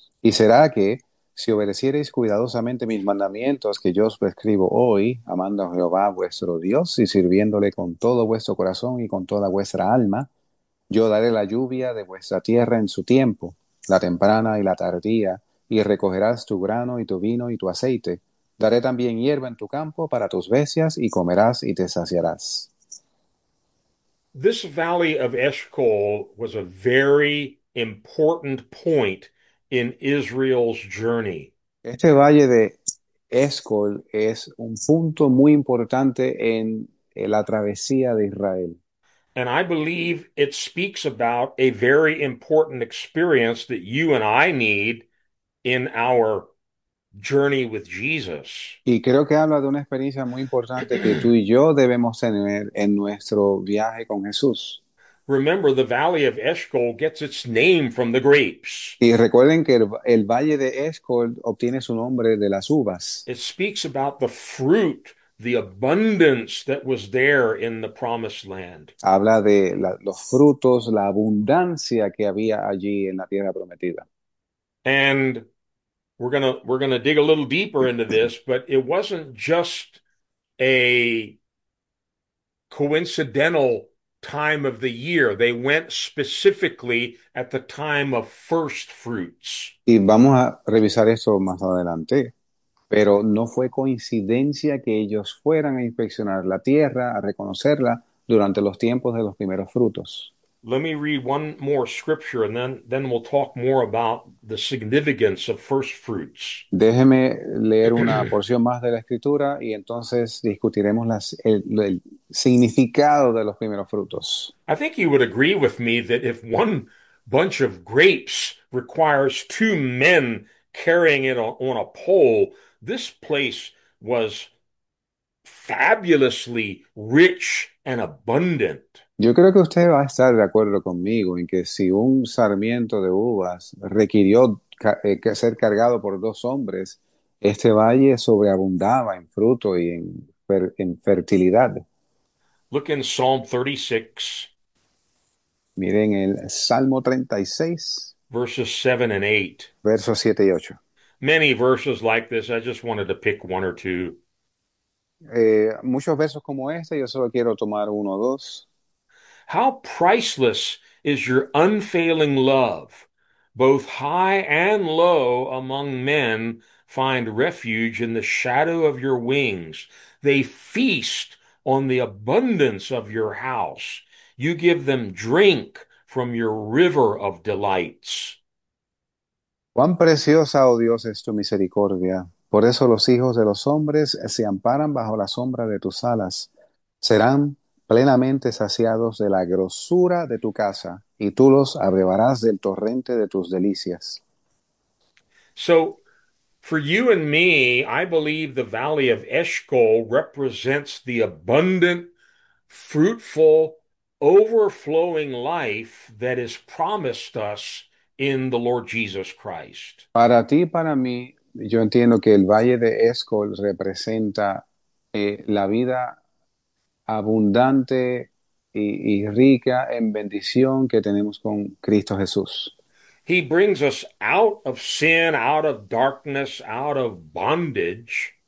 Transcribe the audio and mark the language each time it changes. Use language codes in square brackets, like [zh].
[es] Y será que, si obedeciereis cuidadosamente mis mandamientos que yo os prescribo hoy, amando a Jehová vuestro Dios y sirviéndole con todo vuestro corazón y con toda vuestra alma, yo daré la lluvia de vuestra tierra en su tiempo, la temprana y la tardía, y recogerás tu grano y tu vino y tu aceite. Daré también hierba en tu campo para tus bestias, y comerás y te saciarás. [en] This valley of Eshcol was a very important point in Israel's journey. [es] Este valle de Escol es un punto muy importante en la travesía de Israel. [en] And I believe it speaks about a very important experience that you and I need in our journey with Jesus. [es] Y creo que habla de una experiencia muy importante que tú y yo debemos tener en nuestro viaje con Jesús. [en] Remember, the Valley of Eshcol gets its name from the grapes. [es] Y recuerden que el valle de Escol obtiene su nombre de las uvas. [en] It speaks about the fruit, the abundance that was there in the Promised Land. [es] Habla de los frutos, la abundancia que había allí en la tierra prometida. [en] And we're gonna dig a little deeper into this, but it wasn't just a coincidental time of the year. They went specifically at the time of first fruits. [es] Y vamos a revisar eso más adelante, pero no fue coincidencia que ellos fueran a inspeccionar la tierra, a reconocerla durante los tiempos de los primeros frutos. [en] Let me read one more scripture and then we'll talk more about the significance of first fruits. [es] Déjeme leer una porción más de la escritura y entonces discutiremos el significado de los primeros frutos. [en] I think you would agree with me that if one bunch of grapes requires two men carrying it on a pole, this place was fabulously rich and abundant. [es] Yo creo que usted va a estar de acuerdo conmigo en que si un sarmiento de uvas requirió ca ser cargado por dos hombres, este valle sobreabundaba en fruto y en fertilidad. [en] Look in Psalm 36. [es] Miren el Salmo 36, [en] Verses 7 and 8. [es] versos 7 y 8. [en] Many verses like this, I just wanted to pick one or two. [es] Muchos versos como este, yo solo quiero tomar uno o dos. [en] How priceless is your unfailing love! Both high and low among men find refuge in the shadow of your wings. They feast on the abundance of your house. You give them drink from your river of delights. [es] Cuán preciosa, oh Dios, es tu misericordia. Por eso los hijos de los hombres se amparan bajo la sombra de tus alas. Serán plenamente saciados de la grosura de tu casa, y tú los abrevarás del torrente de tus delicias. [en] So, for you and me, I believe the Valley of Eshcol represents the abundant, fruitful, overflowing life that is promised us in the Lord Jesus Christ. [es] Para ti y para mí, yo entiendo que el Valle de Escol representa la vida abundante y rica en bendición que tenemos con Cristo Jesús. [en] He brings us out of sin, out of darkness, out of bondage.